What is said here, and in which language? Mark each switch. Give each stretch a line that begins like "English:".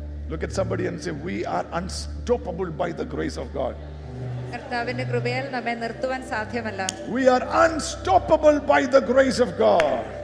English: Look at somebody and say, we are unstoppable by the grace of God.
Malayalam: കർത്താവിന്റെ കൃപയാൽ നമ്മെ നിർത്തുവാൻ സാധ്യമല്ല.
English: We are unstoppable by the grace of God.